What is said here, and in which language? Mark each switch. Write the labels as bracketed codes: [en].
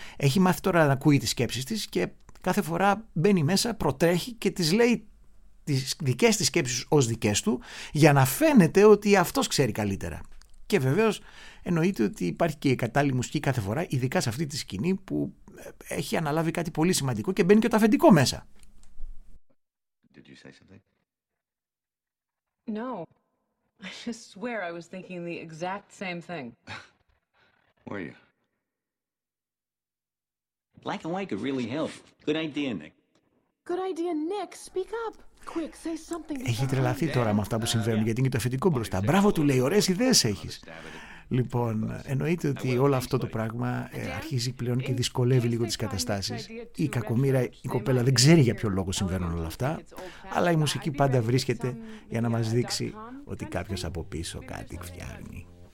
[el] Έχει μάθει τώρα να ακούει τις σκέψεις της και κάθε φορά μπαίνει μέσα, προτρέχει και της λέει τις δικές της σκέψεις ως δικές του, για να φαίνεται ότι αυτός ξέρει καλύτερα. Και βεβαίως εννοείται ότι υπάρχει και η κατάλληλη μουσική κάθε φορά, ειδικά σε αυτή τη σκηνή που έχει αναλάβει κάτι πολύ σημαντικό και μπαίνει και το αφεντικό μέσα. [en] Did you say something? No. I just swear I was thinking the exact same thing. Where are you? Black and white could really help. Good idea, Nick. Good idea, Nick. Speak up. Quick, say something. [el] Έχει τρελαθεί τώρα με αυτά που συμβαίνουν, γιατί είναι και το αφεντικό μπροστά. Μπράβο, του λέει, ωραίες ιδέες έχεις. Λοιπόν, εννοείται ότι όλο αυτό το πράγμα αρχίζει πλέον και δυσκολεύει λίγο τις καταστάσεις. Η κακομοίρα, η κοπέλα δεν ξέρει για ποιο λόγο συμβαίνουν όλα αυτά, αλλά η μουσική πάντα βρίσκεται για να μας δείξει ότι κάποιος από πίσω κάτι φτιάχνει.